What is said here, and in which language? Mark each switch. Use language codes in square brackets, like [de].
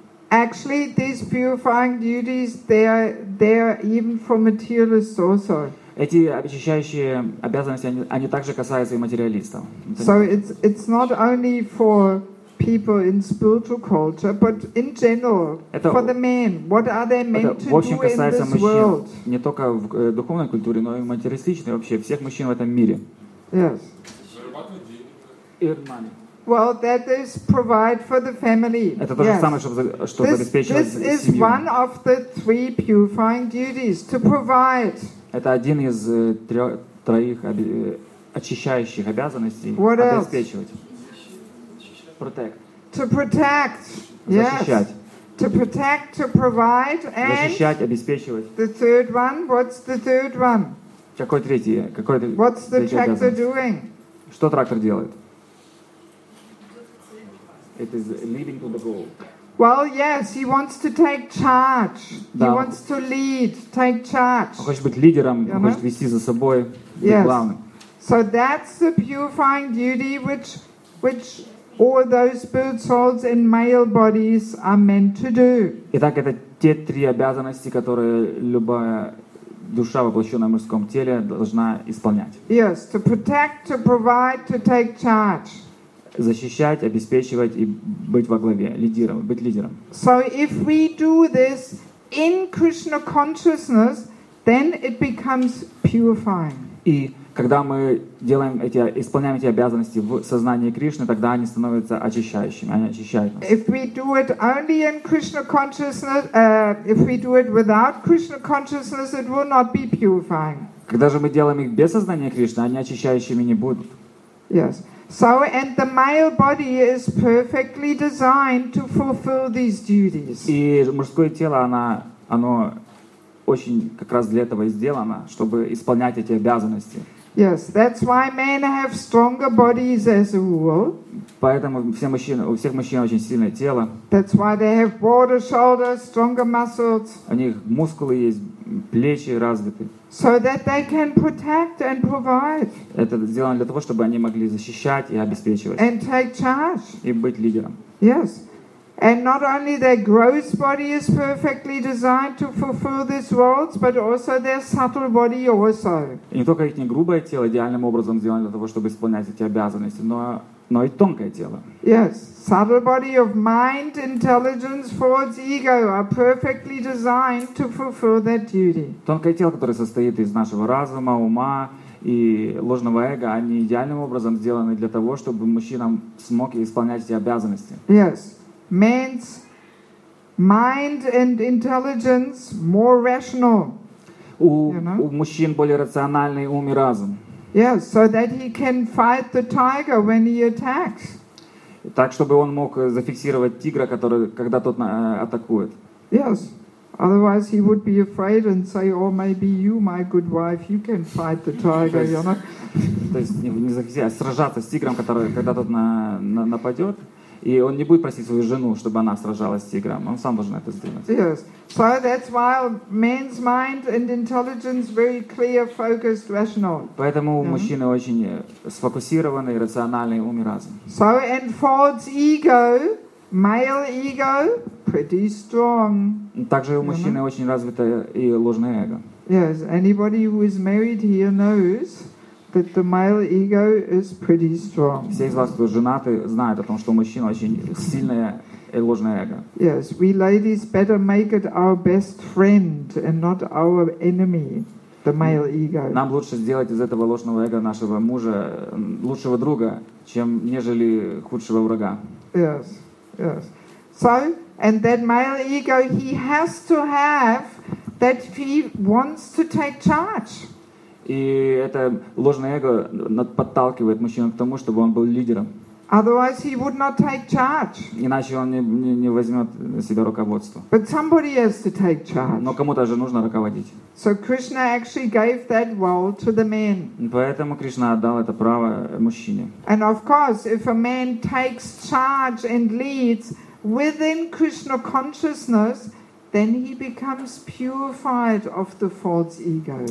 [en] Actually, these purifying duties they are even for materialists also. [ru] Эти очищающие обязанности они также касаются и материалистов. [en] So it's not only for people in spiritual culture, but in general for the men. What are they meant to do in this world? [ru] Это касается мужчин не только в духовной культуре, но и в материалистичной вообще всех мужчин в этом мире. [en] Yes. Well, that is provide for the family. [ru] Это то же самое, чтобы обеспечивать семью. [en] This is one of the three purifying duties to provide. [ru] Это один из троих очищающих обязанностей. [en] What [ru] обеспечивать. [en] Else? Protect. To protect. [ru] Защищать. [en] Yes. To protect, to provide, and [ru] защищать, обеспечивать. [en] The third one. What's the third one? [ru] Какой третий? Какой третий? [en] What's the tractor doing? [ru] Что трактор делает? [en] It is leading to the goal. Well, yes, he wants to take charge. [ru] Да. [en] He wants to lead, take charge. [ru] Он хочет быть лидером, [en] you know? [ru] Хочет вести за собой, быть [en] yes. [ru] главным. [en] So that's the purifying duty which all those spirit souls in male bodies are meant to do. [ru] Итак, это те три обязанности, которые любая душа, воплощенная в мужском теле, должна исполнять. [en] Yes, to protect, to provide, to take charge. [ru] Защищать, обеспечивать и быть во главе, лидером, быть лидером. [en] So if we do this in Krishna consciousness, then it becomes purifying. [ru] И когда мы исполняем эти обязанности в сознании Кришны, тогда они становятся очищающими, они очищают нас. [en] If we do it only in Krishna consciousness, if we do it without Krishna consciousness, it will not be purifying. [ru] Когда же мы делаем их без сознания Кришны, они очищающими не будут. [en] Yes. So and the male body is perfectly designed to fulfill these duties. [ru] И мужское тело, оно очень как раз для этого и сделано, чтобы исполнять эти обязанности. [en] Yes, that's why men have stronger bodies as a rule. [ru] Поэтому у всех мужчин очень сильное тело. [en] That's why they have broader shoulders, stronger muscles. [ru] У них мускулы есть, плечи развиты. [en] So that they can protect and provide. [ru] Это сделано для того, чтобы они могли защищать и обеспечивать. [en] And take charge. [ru] И быть лидером. [en] Yes. And not only their gross body is perfectly designed to fulfill these roles, but also their subtle body also. [ru] И не только их грубое тело идеальным образом сделано для того, чтобы исполнять эти обязанности, но и тонкое тело. [en] Yes, subtle body of mind, intelligence, thoughts, ego are perfectly designed to fulfill their duty. [ru] Тонкое тело, которое состоит из нашего разума, ума и ложного эго, они идеальным образом сделаны для того, чтобы мужчина смог исполнять эти обязанности. [en] Yes. Man's mind and intelligence more rational. [ru] У мужчин более рациональный ум и разум. [en] Yes, so that he can fight the tiger when he attacks. [ru] Так, чтобы он мог зафиксировать тигра, когда тот атакует. [en] Yes, Otherwise, he would be afraid and say, "Oh, maybe you, my good wife, you can fight the tiger, you know." [ru] То есть не захотел сражаться с тигром, который когда тот нападет, и он не будет просить свою жену, чтобы она сражалась с тигром. Он сам должен это сделать. [en] Yes. So that's why man's mind and intelligence very clear, focused, rational. [ru] Поэтому у мужчины очень сфокусированный, рациональный ум и разум. [en] So and Ford's ego. Male ego pretty strong. [ru] Также у мужчины очень развито и ложное эго. [en] Yes, anybody who is married here knows that the male ego is pretty strong. [ru] Все из вас, кто женаты, знают о том, что у мужчины очень сильное и ложное эго. [en] Yes, we ladies better make it our best friend and not our enemy. The male ego. [ru] Нам лучше сделать из этого ложного эго нашего мужа лучшего друга, чем нежели худшего врага. [en] Yes. Yes. So, and that male ego, he has to have that he wants to take charge. [ru] И это ложное эго подталкивает мужчину к тому, чтобы он был лидером. [en] Otherwise, he would not take charge. [ru] Иначе он не возьмет на себя руководство. [en] But somebody has to take charge. [ru] Но кому-то же нужно руководить. [en] So Krishna actually gave that role to the men. [ru] Поэтому Кришна отдал это право мужчине. [en] And of course, if a man takes charge and leads within Krishna consciousness, then he becomes purified of the false ego.